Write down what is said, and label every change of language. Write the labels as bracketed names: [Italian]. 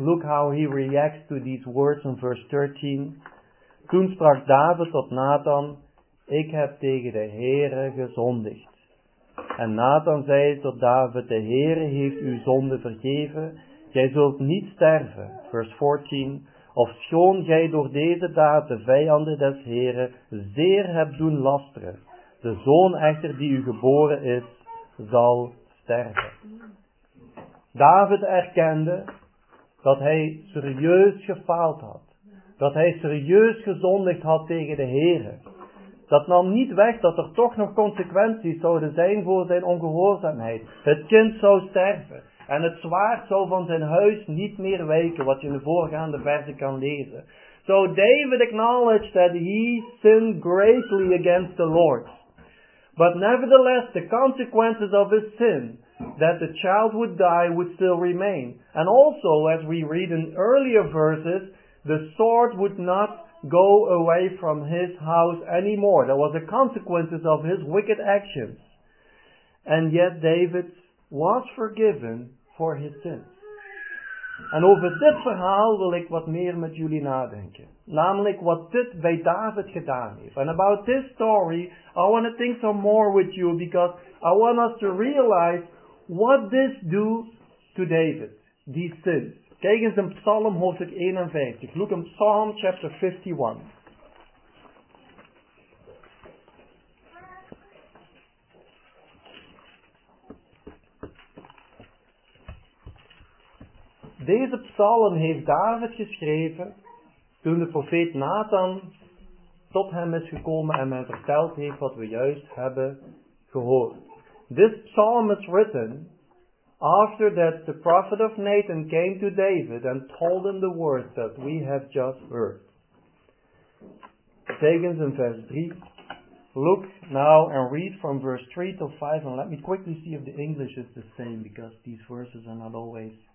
[English] Look how he reacts to these words in verse 13. [Dutch] Toen sprak David tot Nathan, ik heb tegen de Heere gezondigd. En Nathan zei tot David, de Heere heeft uw zonde vergeven. Jij zult niet sterven, verse 14. Of schoon jij door deze daad de vijanden des Heere zeer hebt doen lasteren. De zoon echter die u geboren is, zal sterven. David erkende dat hij serieus gefaald had. Dat hij serieus gezondigd had tegen de Heere. Dat nam niet weg dat er toch nog consequenties zouden zijn voor zijn ongehoorzaamheid. Het kind zou sterven. En het zwaard zou van zijn huis niet meer wijken, wat je in de voorgaande verzen kan lezen. [English] So David acknowledged that he sinned greatly against the Lord. But nevertheless, the consequences of his sin, that the child would die, would still remain. And also, as we read in earlier verses, the sword would not go away from his house anymore. That was the consequences of his wicked actions. And yet David was forgiven for his sin. [Dutch] En over dit verhaal wil ik wat meer met jullie nadenken. Namelijk wat dit bij David gedaan heeft. [English] And about this story, I want to think some more with you, because I want us to realize what this do to David, these sins. [Dutch] Kijk eens in Psalm hoofdstuk 51. [English] Look in Psalm chapter 51. [Dutch] Deze psalm heeft David geschreven toen de profeet Nathan tot hem is gekomen en hem verteld heeft wat we juist hebben gehoord. [English] This psalm is written after that the prophet of Nathan came to David and told him the words that we have just heard. [Dutch] Kijk eens in vers 3. [English] Look now and read from verse 3 to 5 and let me quickly see if the English is the same, because these verses are not always...